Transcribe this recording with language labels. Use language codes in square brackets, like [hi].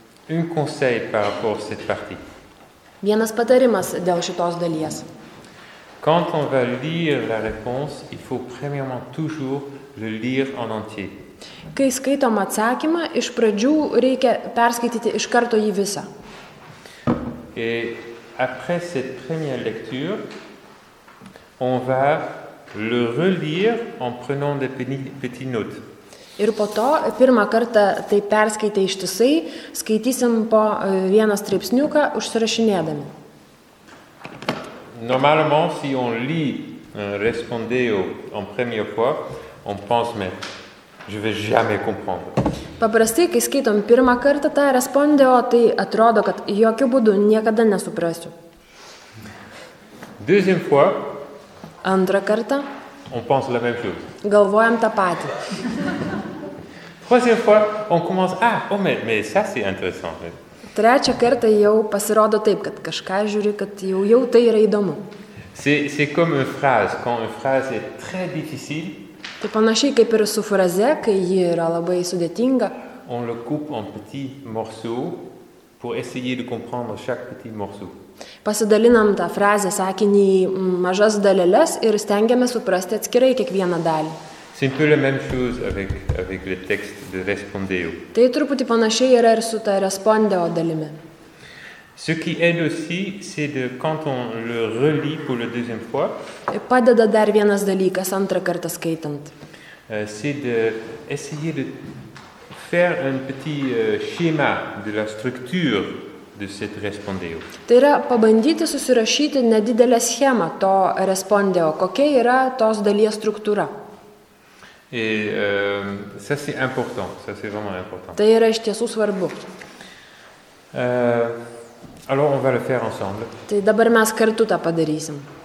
[fr] Un conseil par rapport à cette partie. [lt] Vienas patarimas dėl šitos dalies. [fr] Quand on va lire la réponse, il faut premièrement toujours le lire en entier. [lt] Kai skaitom atsakymą, iš pradžių reikia perskaityti iš karto jį visą. [fr] Et après cette première lecture, on va le relire en prenant des petites notes. [lt] Ir po to, pirmą kartą tai perskaitę ištisai, skaitysim po vieną straipsniuką užsirašinėdami. [fr] Normalement, si on lit respondeo en première fois, on pense mais je vais jamais comprendre. [lt] Paprastai, kai skaitom pirmą kartą tą respondeo, tai atrodo, kad jokių būdų niekada nesuprasiu. [fr] Deuxième fois, [lt] antrą kartą, [fr] on pense la même chose. [lt] Galvojam tą patį. [fr] Troisième fois, on commence mais ça c'est intéressant. [lt] Trečią kartą jau pasirodo taip, kad kažką žiūri, kad jau tai yra įdomu. [fr] C'est comme une phrase, quand une phrase est très difficile. [lt] Tai panašiai kaip ir su fraze, kai ji yra labai sudėtinga. [fr] On le coupe en petits morceaux pour essayer de comprendre chaque petit morceau. [lt] Pasidalinam tą frazę, sakinį į mažas daleles ir stengiame suprasti atskirai kiekvieną dalį. [fr] C'est un peu la même chose avec le texte de respondeo. [lt] Tai truputį panašiai yra ir su ta respondeo dalimi. [fr] Ce qui aide aussi, c'est de quand on le relit pour la deuxième fois. [lt] Padeda dar vienas dalykas antrą kartą skaitant. [fr] C'est de essayer de faire un petit schéma de la structure de cette respondeo. [lt] Tai yra pabandyti susirašyti nedidelę schemą to respondeo, kokia yra tos dalies struktūra. [fr] Et ça c'est important, ça c'est vraiment important. [lt] Tai yra iš tiesų svarbu. [fr] Alors on va le faire ensemble. [lt] Tai dabar mes kartu tą padarysim.